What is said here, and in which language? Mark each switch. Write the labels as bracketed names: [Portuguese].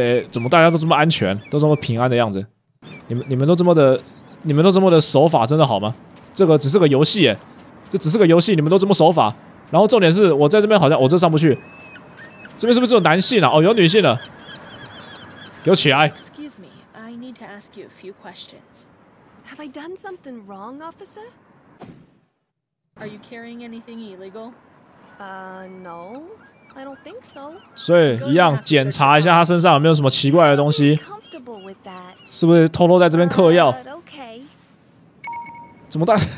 [Chinese] 怎么大家都这么安全，都这么平安的样子？你们都这么的守法，真的好吗？这个只是个游戏，这只是个游戏，你们都这么守法。然后重点是，我在这边好像我这上不去，这边是不是有男性啊？哦，有女性的，给我起来。 [English] Excuse me, I need to ask you a few questions. Have I done something wrong, officer? Are you carrying anything illegal? No. I don't think so. [Chinese] 所以一样检查一下他身上有没有什么奇怪的东西，是不是偷偷在这边嗑药？怎么大？